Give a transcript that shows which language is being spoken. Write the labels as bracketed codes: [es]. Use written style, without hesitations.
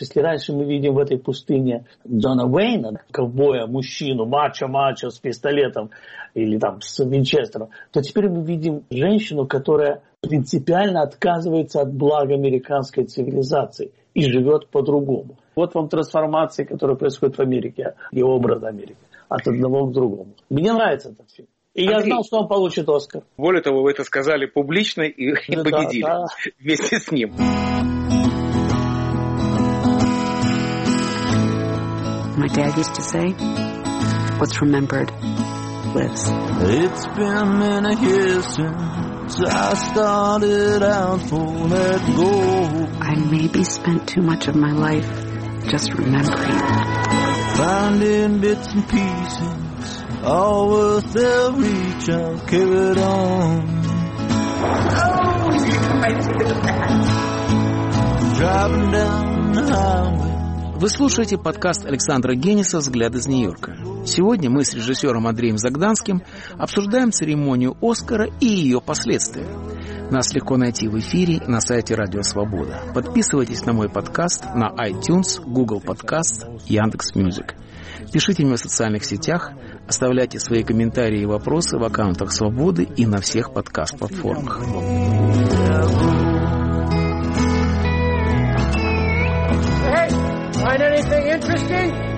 [ru] Если раньше мы видим в этой пустыне Джона Уэйна, ковбоя, мужчину, мачо-мачо с пистолетом или там с винчестером, то теперь мы видим женщину, которая принципиально отказывается от блага американской цивилизации и живет по-другому. Вот вам трансформация, которая происходит в Америке и образ Америки от одного к другому. Мне нравится этот фильм. И я знал, что он получит Оскар. Более того, вы это сказали публично и, ну, и победили вместе с ним. [en] My dad used to say, what's remembered lives. It's been many years since I started out to let go. I maybe spent too much of my life just remembering. Finding bits and pieces, all worth every child carried on. Driving down the highway. [ru] Вы слушаете подкаст Александра Генниса «Взгляд из Нью-Йорка». Сегодня мы с режиссером Андреем Загданским обсуждаем церемонию «Оскара» и ее последствия. Нас легко найти в эфире на сайте Радио Свобода. Подписывайтесь на мой подкаст на iTunes, Google Podcast, Яндекс.Мьюзик. Пишите мне в социальных сетях, оставляйте свои комментарии и вопросы в аккаунтах «Свободы» и на всех подкаст-платформах. [en] Find anything interesting?